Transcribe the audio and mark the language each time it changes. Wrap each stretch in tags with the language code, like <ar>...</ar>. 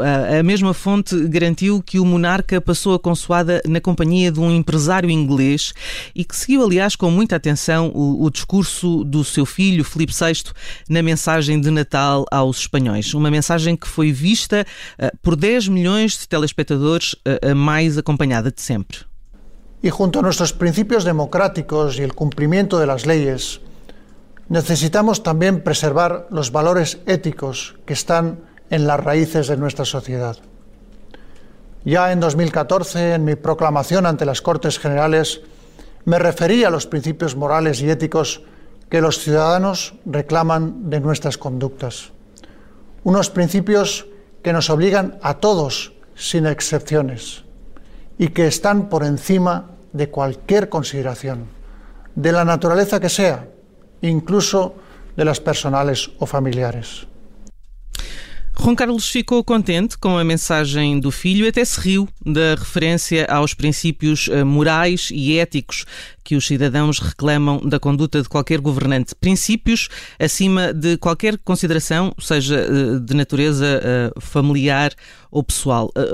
<pt>A mesma fonte garantiu que o monarca passou a consoada na companhia de um empresário inglês e que seguiu, aliás, com muita atenção o discurso do seu filho, Filipe VI, na mensagem de Natal aos espanhóis. Uma mensagem que foi vista por 10 milhões de telespectadores, a mais acompanhada de sempre. E junto a nossos princípios democráticos e o cumprimento das leis,</pt> <es>necesitamos también preservar los valores éticos que están en las raíces de nuestra sociedad. Ya en 2014, en mi proclamación ante las Cortes Generales, me referí a los principios morales y éticos que los ciudadanos reclaman de nuestras conductas. Unos principios que nos obligan a todos, sin excepciones, y que están por encima de cualquier consideración, de la naturaleza que sea, incluso de las personales o familiares.</es> <pt>Juan Carlos ficou contente com a mensagem do filho e até se riu da referência aos princípios morais e éticos que os cidadãos reclamam da conduta de qualquer governante. Princípios acima de qualquer consideração, seja de natureza familiar ou pessoal.</pt>